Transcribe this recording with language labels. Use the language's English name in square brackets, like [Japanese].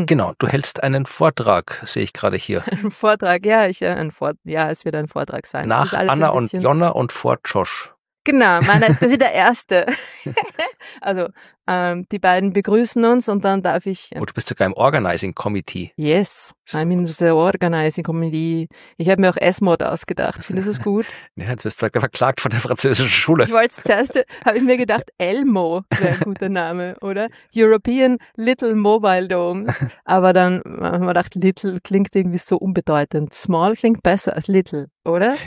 [German] Ja, genau, du hältst einen Vortrag, sehe ich gerade hier. Es wird ein Vortrag sein. Nach Anna und Jonna und vor Josh. Genau, meiner ist quasi der Erste. Also, die beiden begrüßen uns und dann darf ich... Und du bist sogar im Organizing Committee. [English] Yes, so. I'm in the Organizing Committee. [German] Ich habe mir auch S-Mod ausgedacht. Findest du es gut? Ja, jetzt wirst du vielleicht verklagt von der französischen Schule. Ich wollte zuerst, habe ich mir gedacht, Elmo wäre ein guter Name, oder? European Little Mobile Domes. Aber dann habe ich mir gedacht, Little klingt irgendwie so unbedeutend. Small klingt besser als Little, oder?